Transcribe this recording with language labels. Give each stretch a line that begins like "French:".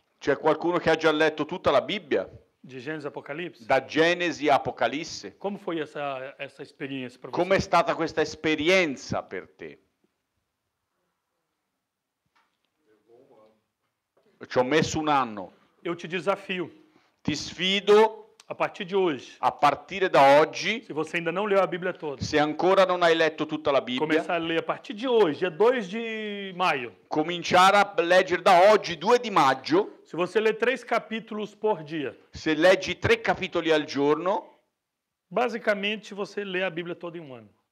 Italian: C'è qualcuno che ha già letto tutta la Bibbia?
Portuguese: De Gênesis e Apocalipse?
Italian: Da Gênesis e Apocalisse.
Portuguese: Como foi essa experiência para você?
Italian: Come è stata questa esperienza per te? Eu ci ho messo un anno.
Portuguese: Eu te desafio.
Italian: Ti sfido.
Portuguese: A partir de hoje.
Italian: A partire da oggi.
Portuguese: Se você ainda não leu a Bíblia toda.
Italian: Se ancora non hai letto tutta la Bibbia.
Portuguese: Começar a ler a partir de hoje, dia 2 de maio.
Italian: Cominciare a leggere da oggi, 2 di maggio.
Portuguese: Se você ler 3 capítulos por dia.
Italian: Se leggi 3 capitoli al giorno.
Portuguese: Basicamente você lê a Bíblia toda em um ano.